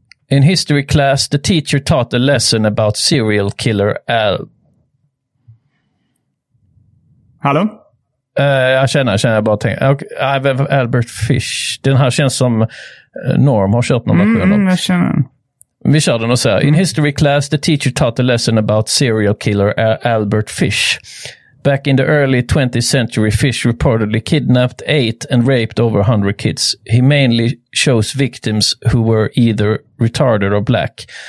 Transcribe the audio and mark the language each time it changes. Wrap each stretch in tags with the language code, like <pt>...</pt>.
<en>In history class, the teacher taught a lesson about serial killer Al.</en> <sv>Hallå? Jag känner, jag bara tänker. Okay, Albert Fish. Den här känns som Norm har kört någon version av. Jag känner. Vi kör den och säger.</sv> <en>In history class, the teacher taught a lesson about serial killer Albert Fish. Back in the early 20th century, Fish reportedly kidnapped, ate, and raped over 100 kids. He mainly chose victims who were either retarded or black.</en>